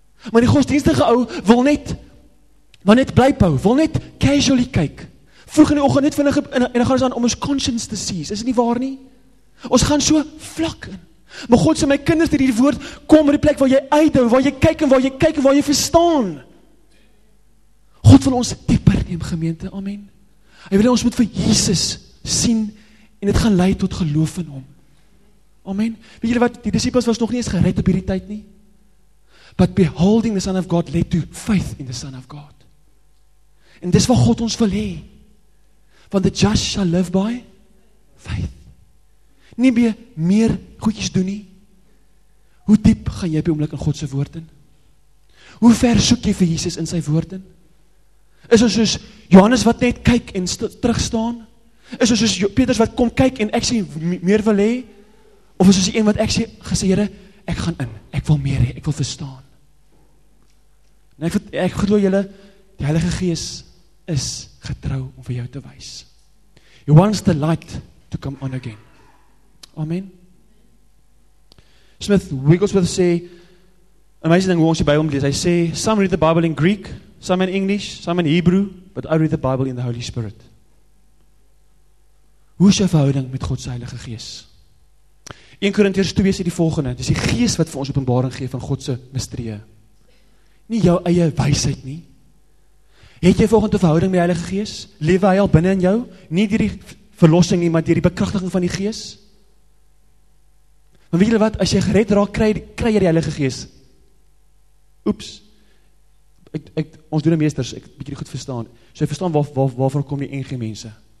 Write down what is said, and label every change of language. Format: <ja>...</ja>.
<af>Maar die godsdienstige ou wil net blyhou, wil net casually kyk. Vroeg in die oggend net vinnig en dan gaan ons aan om ons conscience te sees. Is dit nie waar nie? Ons gaan so vlak in. Maar God sê my kinders, hierdie woord kom by die plek waar jy uithou, waar jy kyk en waar jy verstaan. God wil ons dieper neem gemeente. Amen. Hy wil ons moet vir Jesus sien en dit gaan lei tot geloof in hom. Amen. Weet julle wat, die disippels was nog nie eens gered op hierdie tyd nie.</af> <en>But beholding the Son of God led to faith in the Son of God.</en> <af>En dis wat God ons wil hê. Want</af> <en>the just shall live by faith.</en> <af>Nie meer goedjies doen nie. Hoe diep gaan jy op die oomblik in God se woord in? Hoe ver soek jy vir Jesus in sy woord in? Is ons soos Johannes wat net kyk en terugstaan? Is ons soos Petrus wat kom kyk en ek sê meer wil hê? Of is ons die een wat ek sê, gesê Here, ek gaan in. Ek wil meer hê, ek wil verstaan. En ek glo julle, die Heilige Gees is getrou om vir jou te wys.</af> <en>He wants the light to come on again. Amen. Smith Wigglesworth sê, amazing thing,</en> <af>hoe ons die Bijbel lees, hy sê,</af> <en>some read the Bible in Greek, some in English, some in Hebrew, but I read the Bible in the Holy Spirit.</en> <af>Hoe is jou verhouding met God se Heilige Gees? 1 Korintiërs 2 sê die volgende, dis die Gees wat vir ons openbaring gee van God se misterie. Nie jou eie wysheid nie. Het jy volgende verhouding met die Heilige Gees? Lewe hy al binne in jou? Nie deur die verlossing nie, maar deur die bekrachtiging van die Gees? Maar weet julle wat, as jy gered raak, kry jy die Heilige Gees. Oeps. Ons doen meesters, ek bietjie goed verstaan. So jy verstaan waarvan kom die NG mense.</af>